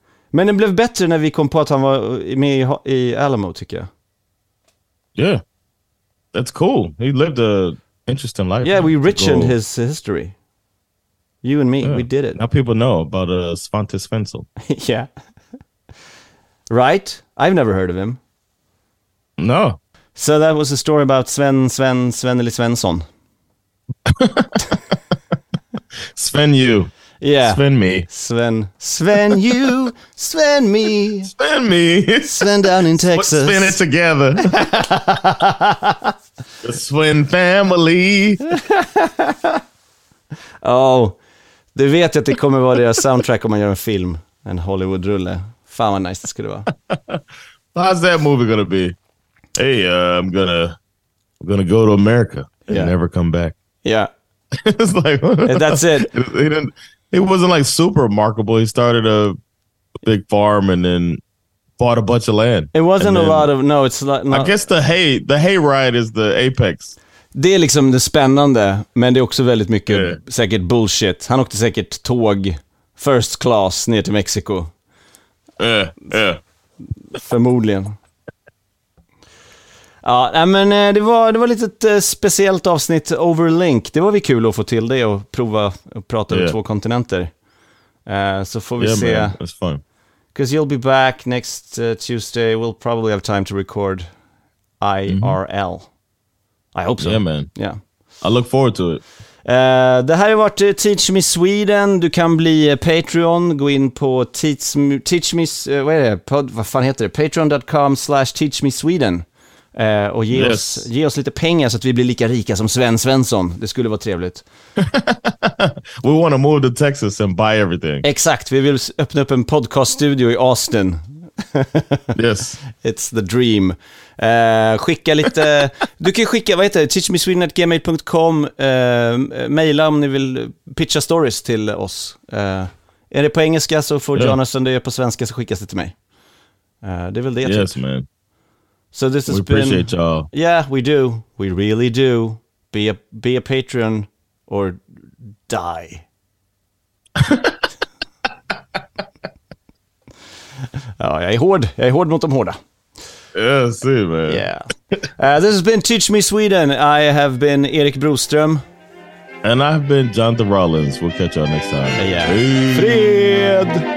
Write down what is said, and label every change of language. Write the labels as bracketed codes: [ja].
[sv] Men det blev bättre när vi kom på att han var med i Alamo, tycker jag. [en] Yeah. That's cool. He lived an interesting life. Yeah, man, we richened his history. You and me, we did it. Now people know about Svante Svensson. Yeah. Right? I've never heard of him. No. So that was a story about Svenneli Svensson. Sven you. Yeah. Sven me. Sven you. Sven me. Sven me. Sven down in Texas. Sven it together. The Sven family. Oh, [sv] du vet att det kommer vara deras soundtrack om man gör en film. En Hollywood-rulle. Fan vad nice det skulle vara. [en] How's that movie gonna be? Hey, I'm gonna go to America and never come back. Yeah. It's like, that's it. He wasn't like super remarkable. He started a big farm and then bought a bunch of land. It wasn't a lot of, no, it's like, no. I guess the hay ride is the apex. [sv] Det är liksom det spännande, men det är också väldigt mycket säkert bullshit. Han åkte säkert tåg [en] first class [sv] ner till Mexiko. Förmodligen. Ja, men det var lite ett speciellt avsnitt Overlink. Det var vi kul att få till det och prova att prata över två kontinenter. Så får vi se. [en] Yeah, man, it's fun. Because you'll be back next Tuesday. We'll probably have time to record IRL. Mm-hmm. I hope so. Yeah, man. Yeah. I look forward to it. [sv] Det här har varit Teach Me Sweden. Du kan bli Patreon. Gå in på Teach Me... vad fan heter det? Patreon.com/Teach Me Sweden. Och ge oss lite pengar så att vi blir lika rika som Sven Svensson. Det skulle vara trevligt. [en] We want to move to Texas and buy everything. [sv] Exakt, vi vill öppna upp en podcaststudio i Austin. [en] Yes. It's the dream. [sv] Skicka lite. Du kan skicka, vad heter det? teachmesweden@gmail.com. Maila om ni vill pitcha stories till oss. Är det på engelska så får Jonathan det på svenska så skickas det till mig. Det är väl det. [en] Yes, [sv] typ. [en] Yes, man. So this has we been. Appreciate y'all. Yeah, we do. We really do. Be a patron or die. Oh, [sv] jag är hård mot de hårda. [en] Yeah, see, man. Yeah. This has been Teach Me Sweden. I have been Erik Broström. And I've been Jonathan Rollins. We'll catch y'all next time. Yeah. Fred.